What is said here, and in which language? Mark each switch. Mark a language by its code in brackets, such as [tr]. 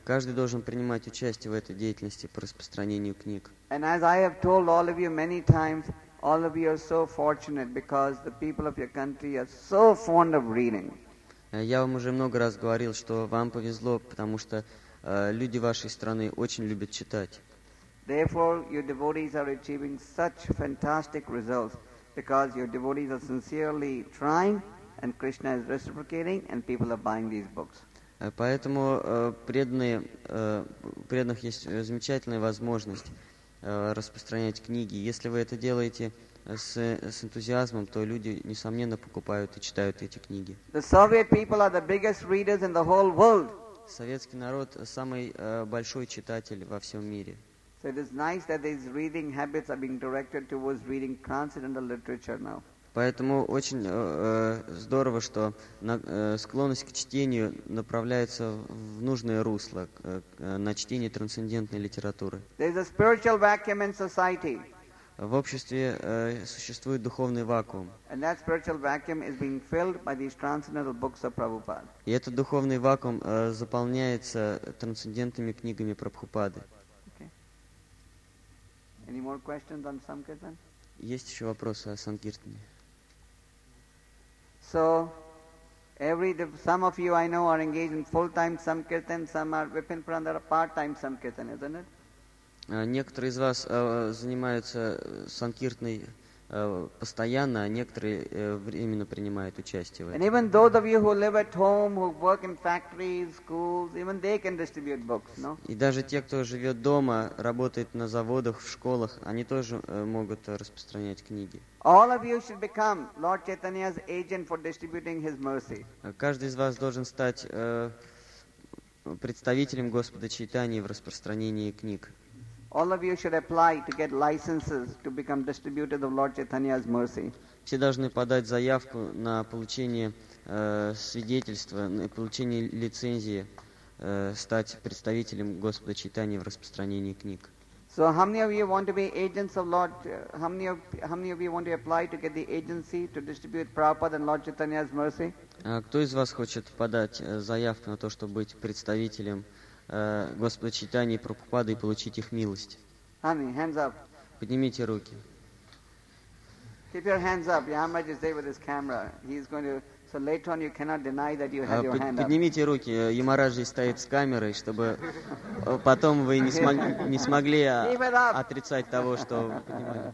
[ru] Каждый должен принимать участие в этой деятельности по распространению книг. [en] And as I have told all of you many times, all of you are so fortunate because the people of your country are so fond of reading. [ru] Я вам уже много раз говорил, что вам повезло, потому что люди вашей страны очень любят читать. [en] Therefore, your devotees are achieving such fantastic results because your devotees are sincerely trying and Krishna is reciprocating and people are buying these books. [ru] Поэтому преданные, преданных есть замечательная возможность распространять книги. Если вы это делаете с энтузиазмом, то люди, несомненно, покупают и читают эти книги. [en] The Soviet people are the biggest readers in the whole world. [ru] Советский народ самый большой читатель во всем мире. [en] So it is nice that these reading habits are being directed towards reading transcendental literature now. [ru] Поэтому очень здорово, что склонность к чтению направляется в нужное русло, на чтение трансцендентной литературы. [en] There is a spiritual vacuum in society. [ru] В обществе существует духовный вакуум. [en] And that spiritual vacuum is being filled by these transcendental books of Prabhupada. [ru] И этот духовный вакуум заполняется трансцендентными книгами Прабхупады. [en] Okay. Any more questions on Sankirtan? [ru] Есть еще вопросы о Сангиртане? [en] So, some of you I know are engaged in full-time Sankirtan, some are Vipinpurandara part-time Sankirtan, isn't it? [ru] Некоторые из вас занимаются санкиртной постоянно, а некоторые временно принимают участие в этом. [en] And even those of you who live at home, who work in factories, schools, even they can distribute books, no? [ru] И даже те, кто живет дома, работает на заводах, в школах, они тоже могут распространять книги. [en] All of you should become Lord Chaitanya's agent for distributing his mercy. [ru] Каждый из вас должен стать представителем Господа Чайтаньи в распространении книг. [en] All of you should apply to get licenses to become distributors of Lord Chaitanya's mercy. [ru] Все должны подать заявку на получение свидетельства, на получение лицензии стать представителем Господа Чайтаньи в распространении книг. [en] So how many of you want to be agents of Lord? How many of you want to apply to get the agency to distribute Prabhupada and Lord Chaitanya's mercy? [ru] Кто из вас хочет подать заявку на то, чтобы быть представителем Господа Чайтаньи и Прабхупады и получить их милость? [en] Honey, hands up. [ru] Поднимите руки. [en] Keep your hands up. Yamraj is there with his camera. He's going to. So later on, you cannot deny that you have your hand up. [ru] Поднимите руки. Ямараджи стоит с камерой, чтобы потом вы не смогли отрицать того, что поднимали.